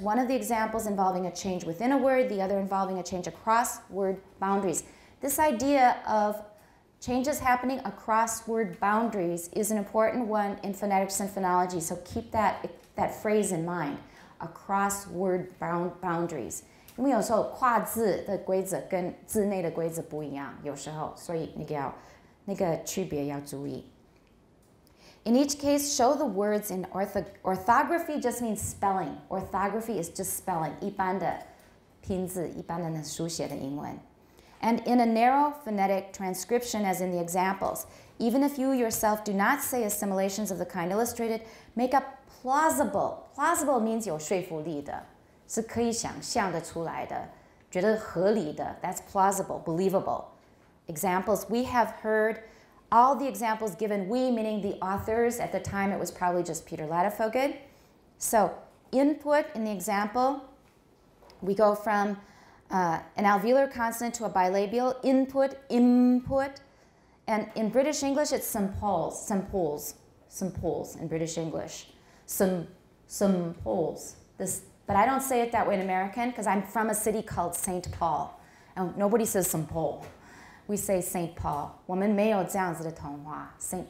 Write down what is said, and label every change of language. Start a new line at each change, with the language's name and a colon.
English: One of the examples involving a change within a word, the other involving a change across word boundaries. This idea of changes happening across word boundaries is an important one in phonetics and phonology, so keep that phrase in mind, across word boundaries.
Chinese: 因为有时候跨字的规则跟字内的规则不一样，有时候，所以那个区别要注意。
English: In each case, show the words in orthography just means spelling. Orthography is just spelling.
Chinese: 一般的拼字，一般的那书写的英文。
English: And in a narrow phonetic transcription, as in the examples, even if you yourself do not say assimilations of the kind illustrated, make a plausible. Plausible means
Chinese: 有说服力的，是可以想象的出来的，觉得合理的。
English: That's plausible, believable. Examples, we have heard... All the examples given, we meaning the authors, at the time it was probably just Peter Latifoged. So input in the example, we go from an alveolar consonant to a bilabial, input. And in British English, it's simples in British English. Simples. But I don't say it that way in American because I'm from a city called St. Paul. Nobody says St. Paul. We say St. Paul.
Chinese: 我们没有这样子的童话 St.